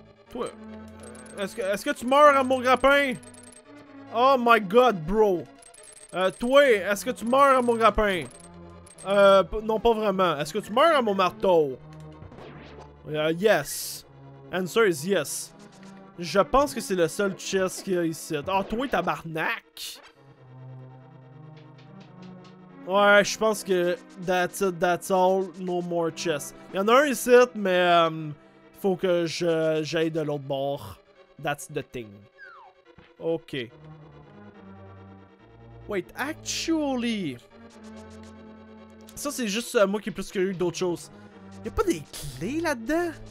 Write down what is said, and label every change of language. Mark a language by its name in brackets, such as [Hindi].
[French] Toi, est-ce que tu meurs à mon grappin? [English] Oh my god, bro. [French] Toi, est-ce que tu meurs à mon grappin? Non, pas vraiment. Est-ce que tu meurs à mon marteau? Yes. [English] Answer is yes. [French] Je pense que c'est le seul chest qu'il y a ici. Oh, toi, tabarnak! Ouais, je pense que [English] that's it, that's all, no more chests. [French] Il y en a un ici, mais faut que j'aille de l'autre bord. [English] That's the thing. [French] Ok. [English] Wait, actually... [French] Ça, c'est juste moi qui ai plus curieux que d'autres choses. Y'a pas des clés là-dedans?